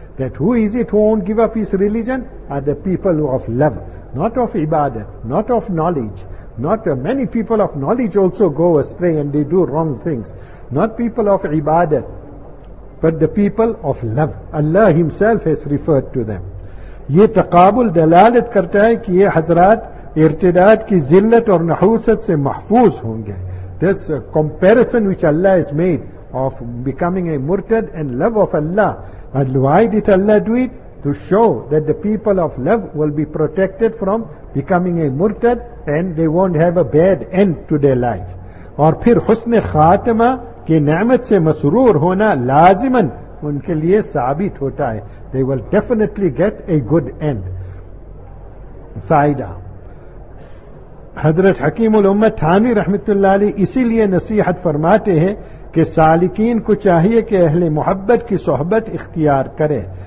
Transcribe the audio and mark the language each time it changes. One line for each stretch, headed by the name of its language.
English: That who is it who won't give up his religion? Are the people of love, not of ibadah, not of knowledge. Not many people of knowledge also go astray and they do wrong things. Not people of ibadah, but the people of love. Allah Himself has referred to them.
Urdu: یہ تقابل دلالت کرتا ہے کہ یہ حضرات ارتداد کی ذلت اور نحوست سے محفوظ ہوں گے.
English: This comparison which Allah has made of becoming a murtad and love of Allah, and why did Allah do it? To show that the people of love will be protected from becoming a murtad and they won't have a bad end to their life.
Urdu: اور پھر حسن خاتمہ کی نعمت سے مسرور ہونا لازماً ان کے لئے ثابت ہوتا ہے.
English: They will definitely get a good end.
Urdu: فائدہ حضرت حکیم الامت تھانوی رحمت اللہ علیہ اسی لئے نصیحت فرماتے ہیں کہ سالکین کو چاہیے کہ اہل محبت کی صحبت اختیار کرے.